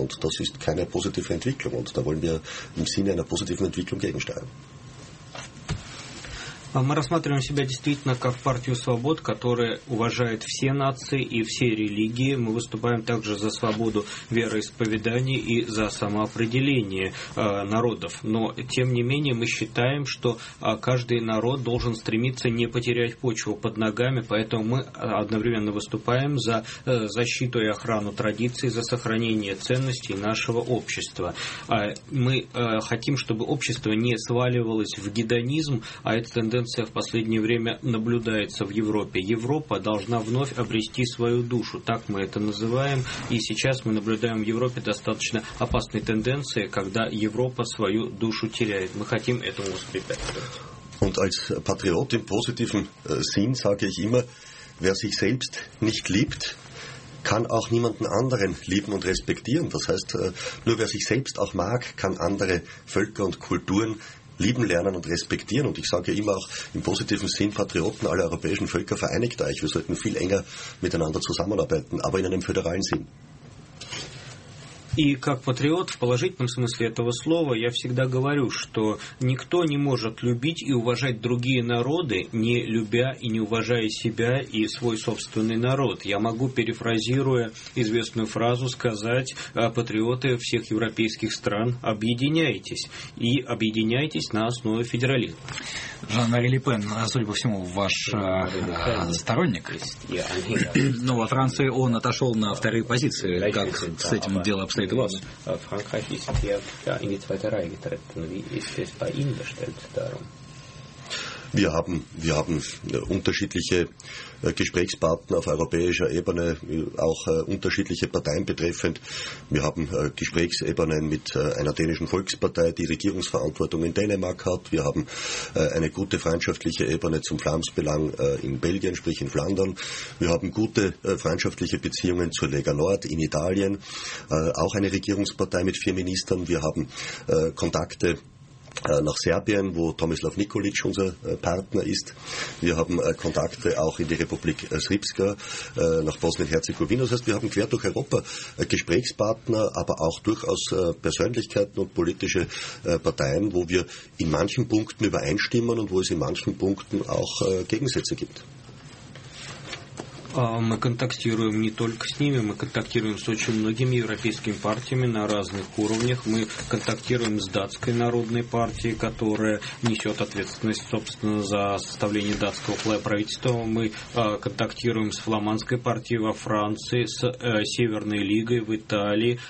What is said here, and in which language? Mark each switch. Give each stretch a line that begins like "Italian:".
German: Und das ist keine positive Entwicklung. Und da wollen wir im Sinne einer positiven Entwicklung gegensteuern.
Russian: Мы рассматриваем себя действительно как партию свобод, которая уважает все нации и все религии. Мы выступаем также за свободу вероисповедания и за самоопределение народов. Но, тем не менее, мы считаем, что каждый народ должен стремиться не потерять почву под ногами, поэтому мы одновременно выступаем за защиту и охрану традиций, за сохранение ценностей нашего общества. Мы хотим, чтобы общество не сваливалось в гедонизм, а это тенденция в последнее время наблюдается в Европе. Европа должна вновь обрести свою душу. Так мы это называем. И сейчас мы наблюдаем в Европе достаточно опасные тенденции, когда Европа свою душу теряет. Мы хотим этому воспрепятствовать.
German: Und als Patriot im positiven Sinn sage ich immer, wer sich selbst nicht liebt, kann auch niemanden anderen lieben und respektieren. Das heißt, nur wer sich selbst auch mag, kann andere Völker und Kulturen lieben lernen und respektieren. Und ich sage immer auch im positiven Sinn, Patrioten aller europäischen Völker, vereinigt euch. Wir sollten viel enger miteinander zusammenarbeiten, aber in einem föderalen Sinn.
Russian: И как патриот в положительном смысле этого слова я всегда говорю, что никто не может любить и уважать другие народы, не любя и не уважая себя и свой собственный народ. Я могу, перефразируя известную фразу, сказать: патриоты всех европейских стран, объединяйтесь. И объединяйтесь на основе федерализма. Жан-Мари Ле Пен, судя по всему, ваш сторонник. Но во Франции он отошел на вторые позиции. Как с этим дело обстоит?
German: Frankreich ist hier ja, in die zweite Reihe getreten. Wie ist es bei Ihnen bestellt darum? Wir haben unterschiedliche Gesprächspartner auf europäischer Ebene, auch unterschiedliche Parteien betreffend. Wir haben Gesprächsebenen mit einer dänischen Volkspartei, die Regierungsverantwortung in Dänemark hat. Wir haben eine gute freundschaftliche Ebene zum Vlaamsbelang in Belgien, sprich in Flandern. Wir haben gute freundschaftliche Beziehungen zur Lega Nord in Italien, auch eine Regierungspartei mit 4 Ministern. Wir haben Kontakte nach Serbien, wo Tomislav Nikolic unser Partner ist. Wir haben Kontakte auch in die Republik Srpska, nach Bosnien-Herzegowina. Das heißt, wir haben quer durch Europa Gesprächspartner, aber auch durchaus Persönlichkeiten und politische Parteien, wo wir in manchen Punkten übereinstimmen und wo es in manchen Punkten auch Gegensätze gibt.
Russian: Мы контактируем не только с ними, мы контактируем с очень многими европейскими партиями на разных уровнях. Мы контактируем с датской народной партией, которая несет ответственность, собственно, за составление датского правительства. Мы контактируем с фламандской партией во Франции, с Северной лигой в Италии.